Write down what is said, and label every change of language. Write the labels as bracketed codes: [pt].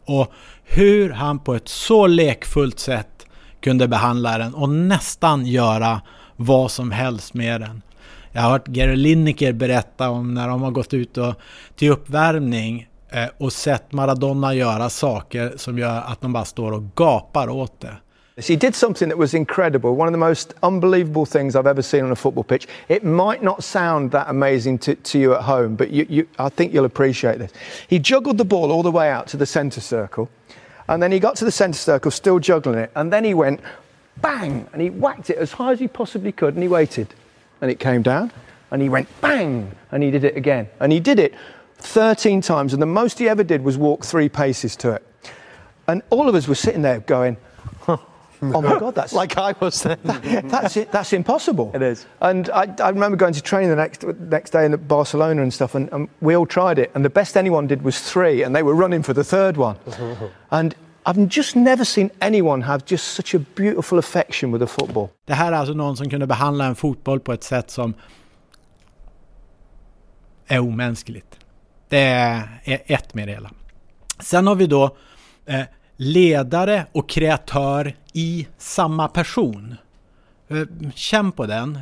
[sv] Och hur han på ett så lekfullt sätt kunde behandla den. Och nästan göra vad som helst med den. Jag har hört Gary Lineker berätta om när de har gått ut och till uppvärmning. Och sett Maradona göra saker som gör att de bara står och gapar åt det. [en] He did something that was incredible, one of the most unbelievable things I've ever seen on a football pitch. It might not sound that amazing to you at home, but I think you'll appreciate this. He juggled the ball all the way out to the center circle, and then he got to the center circle still juggling it, and then he went bang and he whacked it as high as he possibly could, and he waited and it came down, and he went bang and he did it again, and he did it 13 times, and the most he ever did was walk 3 paces to it. And all of us were sitting there going, oh my God, that's... like I was then. That's it. That's impossible. It is. And I remember going to training the next day in Barcelona and stuff, and we all tried it, and the best anyone did was 3, and they were running for the third one. And I've just never seen anyone have just such a beautiful affection with a football. [sv] Det här är alltså någon som kunde behandla en fotboll på ett sätt som är omänskligt. Det är ett med det hela. Sen har vi då ledare och kreatör i samma person. Känn på den.